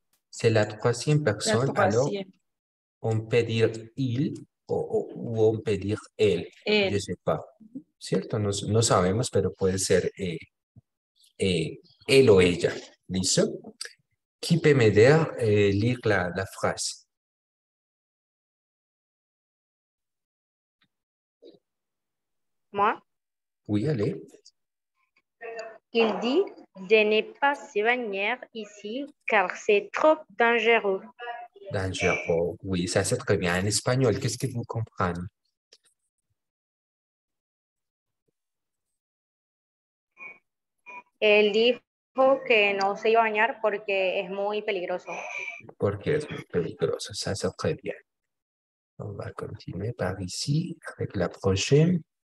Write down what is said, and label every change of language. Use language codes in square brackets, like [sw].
[fr] C'est la troisième personne. Alors, on peut dire il ou on peut dire elle. Elle. Je ne sais pas. [es] Cierto, no sabemos, pero puede ser él o ella. ¿Listo? [fr] ¿Qui peut me dire lire la phrase? Moi. Oui, allez. Il dit de ne pas se baigner ici car c'est trop dangereux. Dangereux, oui, ça c'est très bien. En espagnol, qu'est-ce que vous comprenez? [es] Elle dijo que no se iba a bañar porque es muy peligroso. Porque es muy peligroso, [fr] ça c'est très bien. On va continuer par ici avec la prochaine.